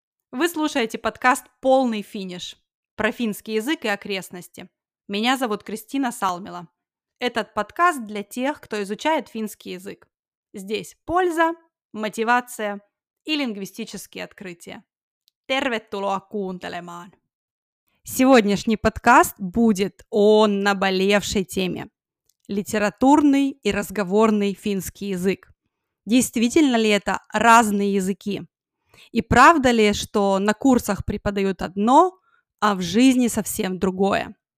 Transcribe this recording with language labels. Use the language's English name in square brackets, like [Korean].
[Russian] Вы слушаете подкаст «Полный финиш» про финский язык и окрестности. Меня зовут Кристина Салмела. Этот подкаст для тех, кто изучает финский язык. Здесь польза, мотивация и лингвистические открытия. [Finnish] Tervetuloa kuuntelemaan! [Russian] Сегодняшний подкаст будет о наболевшей теме – литературный и разговорный финский язык. Действительно ли это разные языки? И правда ли, что на курсах преподают одно, а в жизни совсем другое?